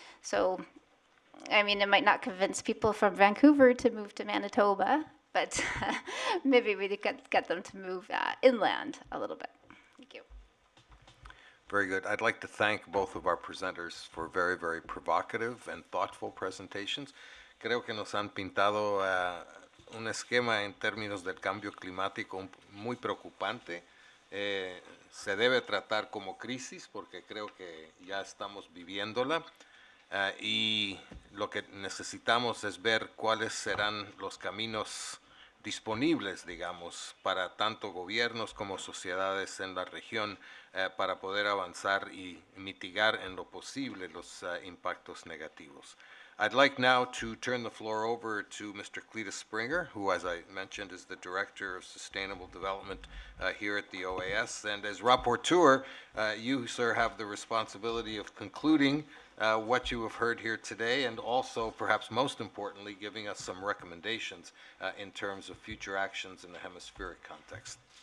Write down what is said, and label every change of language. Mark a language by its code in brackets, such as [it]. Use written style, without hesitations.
[en] So, I mean, it might not convince people from Vancouver to move to Manitoba, but maybe we could get them to move inland a little bit. Thank you. Very good. I'd like to thank both of our presenters for very, very provocative and thoughtful presentations. [es] Creo que nos han pintado un esquema en términos del cambio climático muy preocupante. Se debe tratar como crisis porque creo que ya estamos viviéndola. Y lo que necesitamos es ver cuáles serán los caminos disponibles, digamos, para tanto gobiernos como sociedades en la región para poder avanzar y mitigar en lo posible los impactos negativos. [en] I'd like now to turn the floor over to Mr. Cletus Springer, who, as I mentioned, is the Director of Sustainable Development here at the OAS. And as rapporteur, you, sir, have the responsibility of concluding what you have heard here today, and also, perhaps most importantly, giving us some recommendations in terms of future actions in the hemispheric context.